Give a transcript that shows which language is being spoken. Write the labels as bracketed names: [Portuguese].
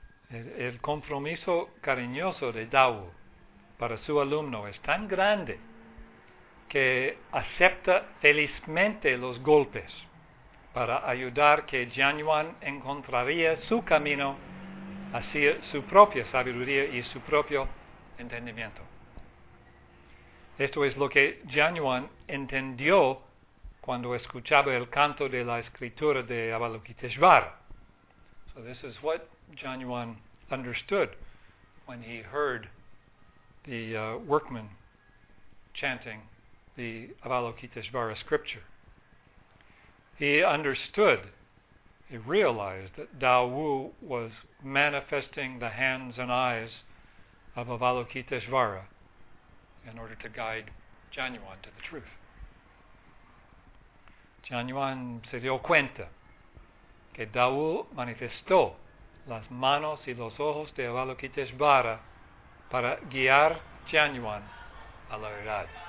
[Spanish] El compromiso cariñoso de Dawu para su alumno es tan grande que acepta felizmente los golpes para ayudar que Junyuan encontraría su camino hacia su propia sabiduría y su propio entendimiento. Esto es lo que Junyuan entendió cuando escuchaba el canto de la escritura de Avalokiteshvara. [English] So this is what Junyuan understood when he heard the workmen chanting the Avalokiteshvara scripture. He understood, he realized that Dao Wu was manifesting the hands and eyes of Avalokiteshvara in order to guide Junyuan to the truth. [Spanish] Junyuan se dio cuenta que Dao Wu manifestó las manos y los ojos de Avalokiteshvara para guiar Junyuan a la verdad.